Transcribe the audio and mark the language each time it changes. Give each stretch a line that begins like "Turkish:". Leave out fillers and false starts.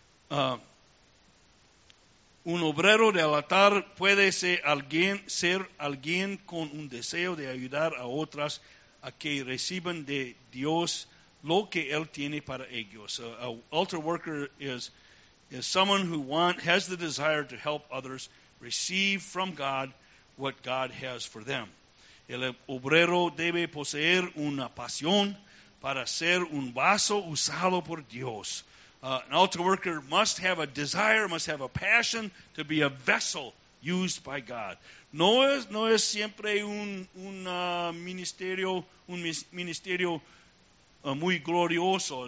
Spanish: Un obrero del altar puede ser alguien con un deseo de ayudar a otras a que reciban de Dios lo que él tiene para ellos.
English: An altar worker is someone who has the desire to help others receive from God what God has for them.
Spanish: El obrero debe poseer una pasión para ser un vaso usado por Dios.
English: An altar worker must have a desire, must have a passion to be a vessel used by God.
Spanish: No es siempre un ministerio muy glorioso.